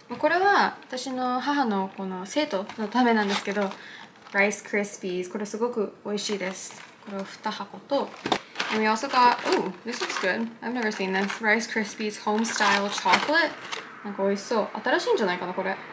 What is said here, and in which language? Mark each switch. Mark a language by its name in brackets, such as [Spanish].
[Japanese] これは私の母のこの生徒のためなんですけど、Rice [English] Krispies. [Japanese] これすごく美味しいです。これを2箱と。 [English] And we also got, ooh, this looks good. I've never seen this. Rice Krispies Home Style Chocolate. [Japanese] なんか美味しそう。新しいんじゃないかな、これ。